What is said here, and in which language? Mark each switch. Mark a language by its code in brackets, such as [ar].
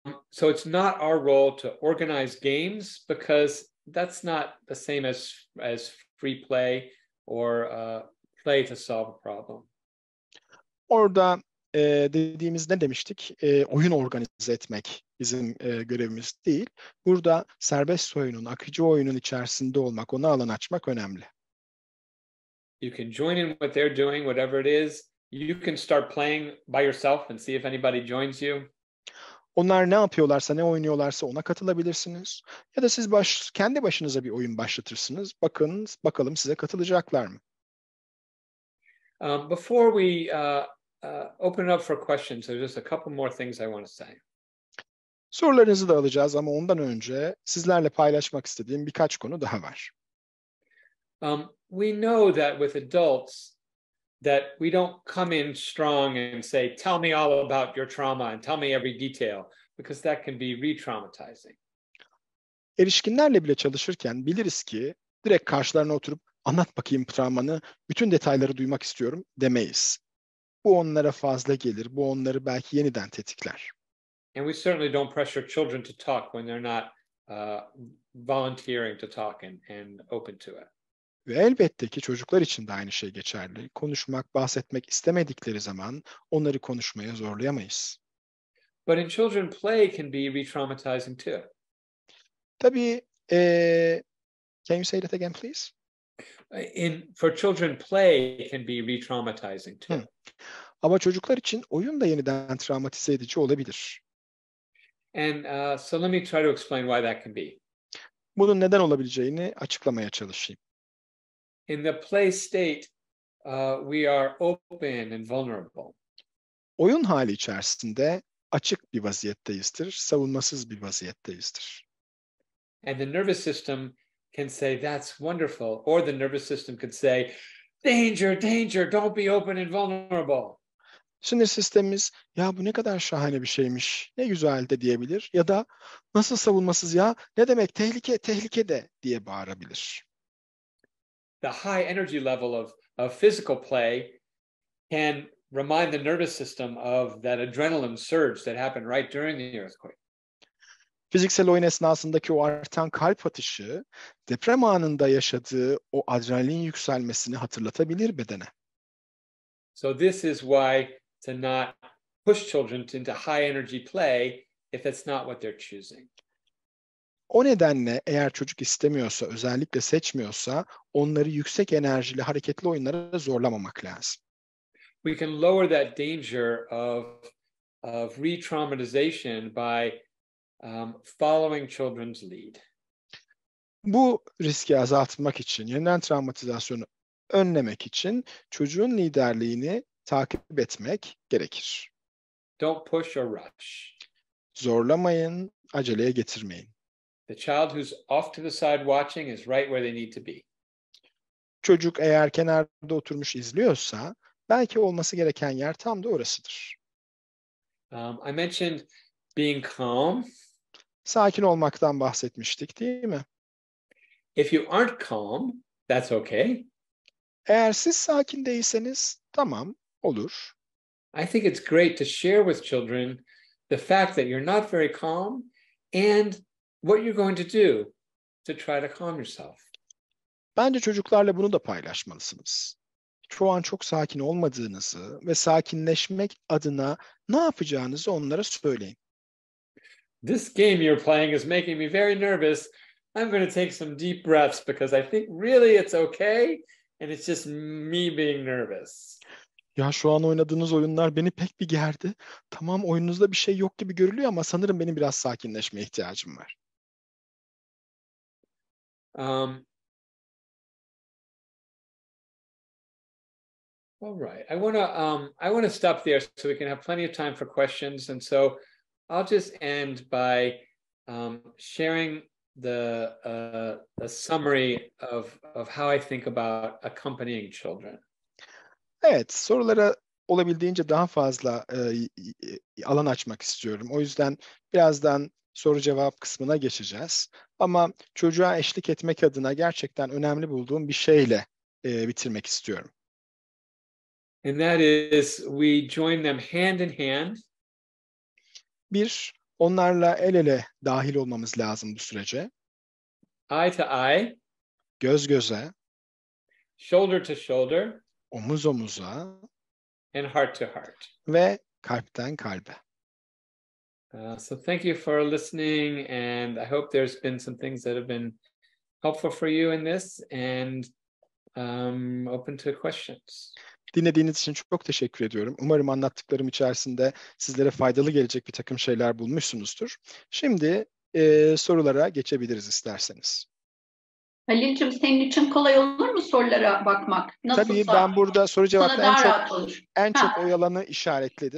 [en] So it's not our role to organize games because that's not the same as free play or play to solve a problem. [tr] Orada dediğimiz ne demiştik? Oyun organize etmek bizim görevimiz değil. Burada serbest oyunun, akıcı oyunun içerisinde olmak, ona alan açmak önemli. [en] You can join in what they're doing, whatever it is. You can start playing by yourself and see if anybody joins you. [tr] Onlar ne yapıyorlarsa, ne oynuyorlarsa ona katılabilirsiniz. Ya da siz kendi başınıza bir oyun başlatırsınız. Bakın, bakalım size katılacaklar mı? [en] Before we open up for questions, there's just a couple more things I want to say. [tr] Sorularınızı da alacağız ama ondan önce sizlerle paylaşmak istediğim birkaç konu daha var. [en] We know that with adults that we don't come in strong and say, tell me all about your trauma and tell me every detail, because that can be re-traumatizing. [tr] Erişkinlerle bile çalışırken biliriz ki direkt karşılarına oturup anlat bakayım travmanı, bütün detayları duymak istiyorum demeyiz. Bu onlara fazla gelir, bu onları belki yeniden tetikler. [en] And we certainly don't pressure children to talk when they're not volunteering to talk and open to it. [tr] Ve elbette ki çocuklar için de aynı şey geçerli. Konuşmak, bahsetmek istemedikleri zaman onları konuşmaya zorlayamayız. [en] But in children, play can be re-traumatizing too. Tabii, can you say that again, please? For children, play can be re-traumatizing too. [tr] Ama çocuklar için oyun da yeniden travmatize edici olabilir. [en] And so let me try to explain why that can be. [tr] Bunun neden olabileceğini açıklamaya çalışayım. [en] In the play state, we are open and vulnerable. [tr] Oyun hali içerisinde açık bir vaziyetteyizdir, savunmasız bir vaziyetteyizdir. [en] And the nervous system can say that's wonderful, or the nervous system could say danger, danger, don't be open and vulnerable. [tr] Sinir sistemimiz ya bu ne kadar şahane bir şeymiş, ne güzel de diyebilir ya da nasıl savunmasız ya, ne demek tehlike, tehlike de diye bağırabilir. [en] The high energy level of physical play can remind the nervous system of that adrenaline surge that happened right during the earthquake. [tr] Fiziksel oyun esnasındaki o artan kalp atışı, deprem anında yaşadığı o adrenalin yükselmesini hatırlatabilir bedene. [en] So this is why to not push children into high energy play if it's not what they're choosing. [tr] O nedenle eğer çocuk istemiyorsa, özellikle seçmiyorsa, onları yüksek enerjili, hareketli oyunlara zorlamamak lazım. [en] We can lower that danger of re-traumatization by following children's lead. [tr] Bu riski azaltmak için, yeniden travmatizasyonu önlemek için çocuğun liderliğini takip etmek gerekir. [en] Don't push or rush. [tr] Zorlamayın, aceleye getirmeyin. [en] The child who's off to the side watching is right where they need to be. [tr] Çocuk eğer kenarda oturmuş izliyorsa, belki olması gereken yer tam da orasıdır. [en] I mentioned being calm. [tr] Sakin olmaktan bahsetmiştik, değil mi? [en] If you aren't calm, that's okay. [tr] Eğer siz sakin değilseniz, tamam, olur. [en] I think it's great to share with children the fact that you're not very calm and what you're going to do to try to calm yourself. [tr] Bence çocuklarla bunu da paylaşmalısınız. Şu an çok sakin olmadığınızı ve sakinleşmek adına ne yapacağınızı onlara söyleyin. [en] This game you're playing is making me very nervous. I'm going to take some deep breaths because I think really it's okay and it's just me being nervous. [tr] Ya şu an oynadığınız oyunlar beni pek bir gerdi. Tamam, oyununuzda bir şey yok gibi görülüyor ama sanırım benim biraz sakinleşmeye ihtiyacım var. [en] All right. I want to stop there so we can have plenty of time for questions, and so I'll just end by sharing the summary of how I think about accompanying children. [tr] Evet, sorulara olabildiğince daha fazla alan açmak istiyorum. O yüzden birazdan soru cevap kısmına geçeceğiz. Ama çocuğa eşlik etmek adına gerçekten önemli bulduğum bir şeyle bitirmek istiyorum. [en] And that is we join them hand in hand. [tr] Bir, onlarla el ele dahil olmamız lazım bu sürece. [en] Eye to eye. [tr] Göz göze. [en] Shoulder to shoulder. [tr] Omuz omuza. [en] And heart to heart. [tr] Ve kalpten kalbe. [en] So thank you for listening, and I hope there's been some things that have been helpful for you in this, and open to questions. [tr] Dinlediğiniz için çok teşekkür ediyorum. Umarım anlattıklarım içerisinde sizlere faydalı gelecek bir takım şeyler bulmuşsunuzdur. Şimdi sorulara geçebiliriz isterseniz. Halil'cim, senin için kolay olur mu sorulara bakmak? Nasıl? Tabii, ben burada soru cevapta en çok oyalanı işaretledim.